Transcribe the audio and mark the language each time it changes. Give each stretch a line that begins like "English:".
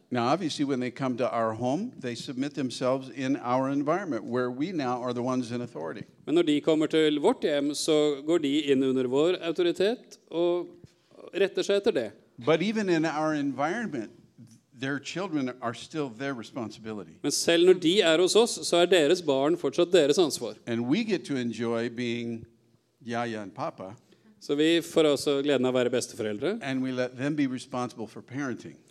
English: Now, obviously, when they come to our home, they submit themselves in our environment where we now are the ones in authority.
Swedish: Men när de kommer till vårt hem, så går de in under vår auktoritet och rättar sig efter det.
English: But even in our environment, their children are still their responsibility.
Norwegian: Men selv når de hos oss, så deres barn fortsatt deres ansvar.
English: And we get to enjoy being Yaya and Papa.
Norwegian: Så vi får også gleden av å være besteforeldre.
English: And we let them be responsible for parenting.